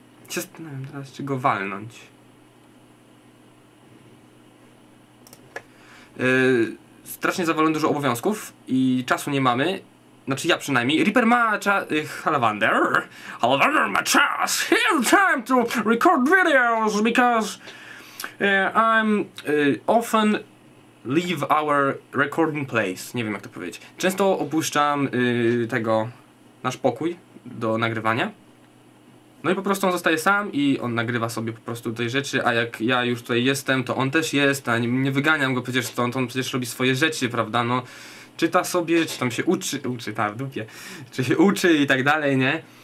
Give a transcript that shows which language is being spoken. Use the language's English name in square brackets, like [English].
[Polish] Zastanawiam się teraz, czy go walnąć. Strasznie zawalone dużo obowiązków i czasu nie mamy. Znaczy ja przynajmniej. Reaper ma czas. Halavander. Halavander ma czas. [English] He has time to record videos because I'm often leave our recording place. [Polish] Nie wiem, jak to powiedzieć. Często opuszczam tego nasz pokój do nagrywania. No i po prostu on zostaje sam i on nagrywa sobie po prostu tej rzeczy, a jak ja już tutaj jestem, to on też jest, a nie wyganiam go przecież stąd, on przecież robi swoje rzeczy, prawda, no czyta sobie, czy tam się uczy, czy się uczy i tak dalej, nie?